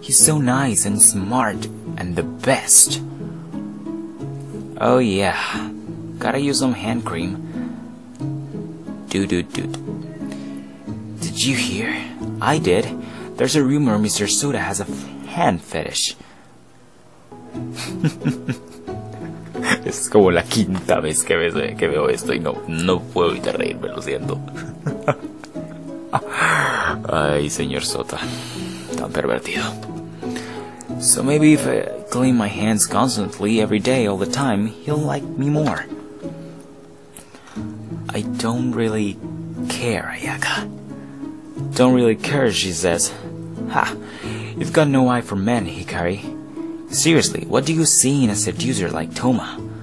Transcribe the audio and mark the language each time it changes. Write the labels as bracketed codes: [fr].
[en] He's so nice and smart and the best. Oh yeah, gotta use some hand cream. Dude. Did you hear? I did. There's a rumor Mr. Soda has a hand fetish. [es] Es como la quinta vez que ves, que veo esto y no puedo evitar reírme, lo siento. Ay, señor Sota, tan pervertido. [en] So maybe if I clean my hands constantly every day, all the time, he'll like me more. I don't really care, Ayaka. Don't really care, she says. Ha! You've got no eye for men, Hikari. Seriously, what do you see in a seducer like Toma?